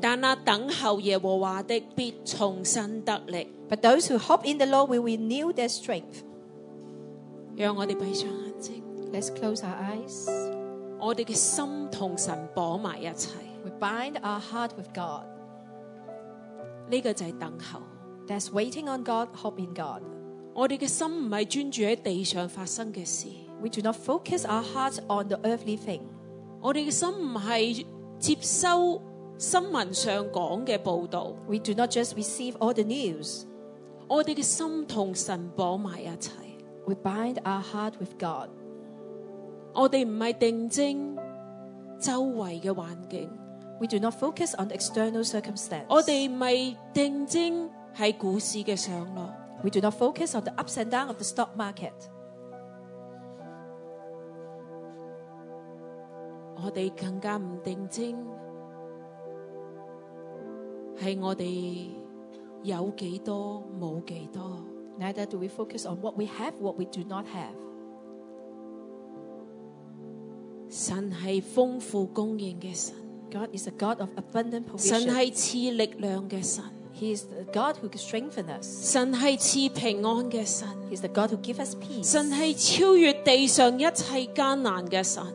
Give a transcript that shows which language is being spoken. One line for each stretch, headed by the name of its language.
Chinese: 但那等候耶和华的必重新得力。
English: But those who hope in the Lord will renew their strength.
Chinese: 让我哋闭上眼睛。
English: Let's close our eyes.
Chinese: 我哋嘅心同神绑埋一齐。
English: We bind our heart with God.
Chinese: 这个就是等候。
English: That's waiting on God, hope in God.
Chinese: 我们的心不是专注在地上发生的事。
English: We do not focus our hearts on the earthly thing.
Chinese: 我们的心不是接收新闻上讲的报道。
English: We do not just receive all the news.
Chinese: 我们的心和神绑在一起。
English: We bind our heart with God.
Chinese: 我们不是定睛周围的环境。
English: We do not focus on the external circumstance.
Chinese: 我们不是定睛在股市的上落。
English: We do not focus on the ups and downs of the stock market.
Chinese: 我们更加不定睛在我们有几多没几多。
English: Neither do we focus on what we have, what we do not have.
Chinese: 神是丰富供应的神。
English: God is a God of abundant provision.
Chinese: 神是赐力量的神。
English: He is the God who can strengthen us.
Chinese: 神是赐平安的神。
English: He is the God who gives us peace.
Chinese: 神是超越地上一切艰难的神。